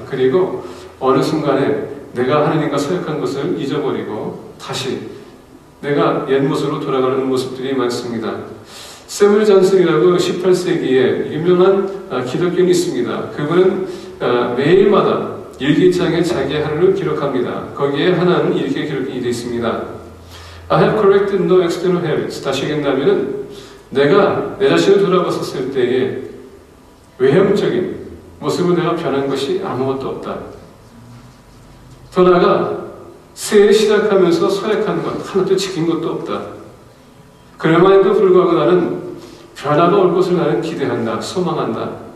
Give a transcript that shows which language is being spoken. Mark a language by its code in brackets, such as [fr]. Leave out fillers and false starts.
[ko] 그리고 어느 순간에 내가 하나님과 서약한 것을 잊어버리고 다시 내가 옛 모습으로 돌아가는 모습들이 많습니다. 세무엘 잔슨이라고 18세기에 유명한 기독교인이 있습니다. 그분은 매일마다 일기장에 자기의 하루를 기록합니다. 거기에 하나는 이렇게 기록이 되어 있습니다. [en] I have corrected no external habits. [ko] 다시 얘기한다면 내가 내 자신을 돌아봤을 때에 외형적인 모습을 내가 변한 것이 아무것도 없다. 더 나아가 새해 시작하면서 서약한 것 하나도 지킨 것도 없다. 그럴만해도 불구하고 나는 변화가 올 것을 나는 기대한다, 소망한다.